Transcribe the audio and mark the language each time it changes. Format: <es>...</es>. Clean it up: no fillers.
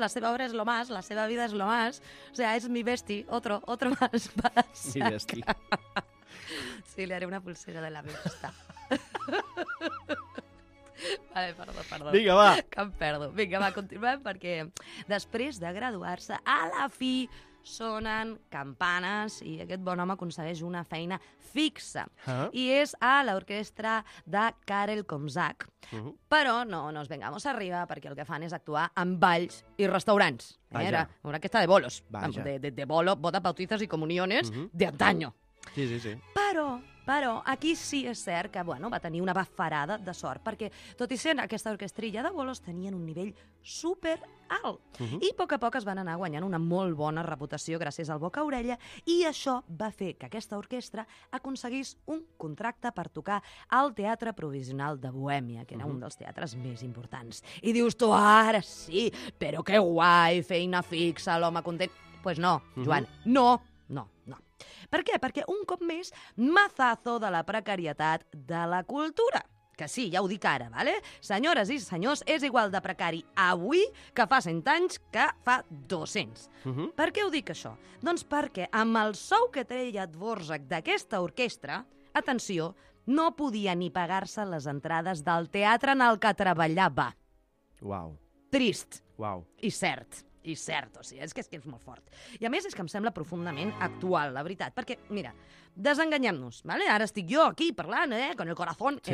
<ca>La seva obra és</ca> <es>lo más,</es> <ca>la seva vida és lo más.</ca> <es>O sea,</es> <ca>és</ca> <es>mi besti. Otro más. Pasaca. Mi besti.</es> <ca>Sí, li haré una pulsera de la besta. Vale, perdó. Vinga, va. Que em perdo. Vinga, va, continuem, perquè després de graduar-se, a la fi... sonen campanes i aquest bon home aconsegueix una feina fixa. I és a l'orquestra de Karel Komsak. Però</ca> <es>no nos vengamos arriba,</es> <ca>perquè el que fan és actuar en balls i restaurants. Vaja.</ca> <es>Era una orquesta de bolos. De bolo, bodas, bautizos i comuniones de antaño.</es> <ca>Sí. Però aquí sí és cert que va tenir una bafarada de sort, perquè tot i sent aquesta orquestrilla de bolos tenien un nivell super alt. I a poc a poc es van anar guanyant una molt bona reputació gràcies al boca a orella, i això va fer que aquesta orquestra aconseguís un contracte per tocar al Teatre Provisional de Bohèmia, que era un dels teatres més importants. I dius tu, ara sí, però que guai, feina fixa, l'home content.</ca> <es>Pues no,</es> <ca>Joan, no. Per què? Perquè un cop més,</ca> <es>mazazo</es> <ca>de la precarietat de la cultura. Que sí, ja ho dic ara, ¿vale? Senyores i senyors, és igual de precari avui que fa 100 anys que fa 200. Per què ho dic, això? Doncs perquè amb el sou que treia Dvorak d'aquesta orquestra, atenció, no podia ni pagar-se les entrades del teatre en el que treballava. Uau. Trist. Uau. I cert, o sigui, és que és molt fort. I a més és que em sembla profundament actual, la veritat. Perquè, mira, desenganyem-nos, ¿vale? Ara estic jo aquí parlant,</ca> <es>con el corazón sí.</es>